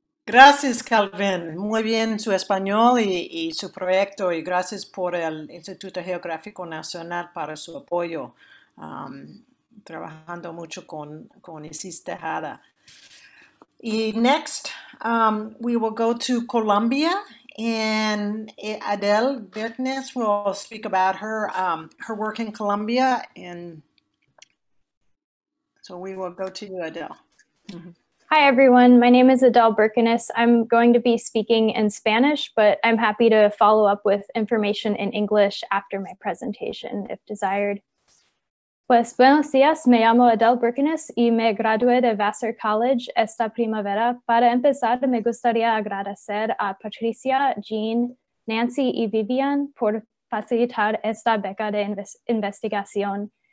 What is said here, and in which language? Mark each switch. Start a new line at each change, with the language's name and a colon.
Spanish: Gracias, Calvin. Muy bien su español y su proyecto, y gracias por el Instituto Geográfico Nacional para su apoyo, trabajando mucho con Isis Tejada.
English: Y next, we will go to Colombia, and Adele Bertnes will speak about her her work in Colombia. And so we will go to you, Adele. Mm-hmm. Hi everyone, my name is Adele Berkenes. I'm going to be speaking in Spanish, but I'm happy to follow up with information in English after my presentation, if desired.
Spanish: Pues buenos días, me llamo Adele Berkenes y me gradué de Vassar College esta primavera. Para empezar, me gustaría agradecer a Patricia, Jean, Nancy y Vivian por facilitar esta beca de investigación.